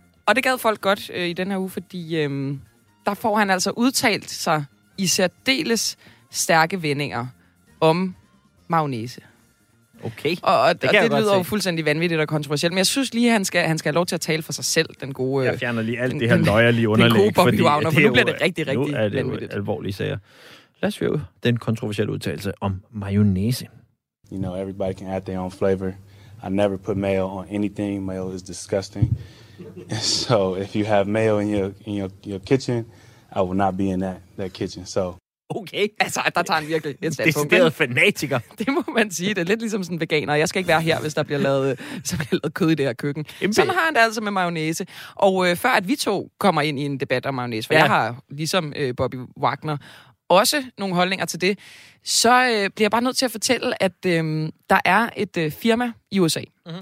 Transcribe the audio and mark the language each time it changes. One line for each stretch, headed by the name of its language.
Danish: Og det gad folk godt i den her uge, fordi der får han altså udtalt sig i særdeles stærke vendinger om mayonnaise. Okay. Og det lyder jo fuldstændig vanvittigt og kontroversielt, men jeg synes lige, han skal have lov til at tale for sig selv, den gode... Jeg fjerner lige alt det her løjerlige underlæg, fordi nu bliver det rigtig, rigtig vanvittigt. Nu er det vanvittigt. Alvorlige sager. Lad os høre den kontroversielle udtalelse om mayonnaise.
English: You know, everybody can add their own flavor. I never put mayo on anything. Mayo is disgusting. So if you have mayo in your kitchen, I will not be in that kitchen, so...
Danish: Okay. Altså, der tager han virkelig et standpunkt. Det er stedet fanatiker. Det må man sige. Det er lidt ligesom sådan veganer. Jeg skal ikke være her, hvis der bliver lavet, kød i det her køkken. Sådan har han det altså med mayonnaise. Og før at vi to kommer ind i en debat om mayonnaise, for jeg har ligesom Bobby Wagner også nogle holdninger til det, så bliver jeg bare nødt til at fortælle, at der er et firma i USA, mm-hmm.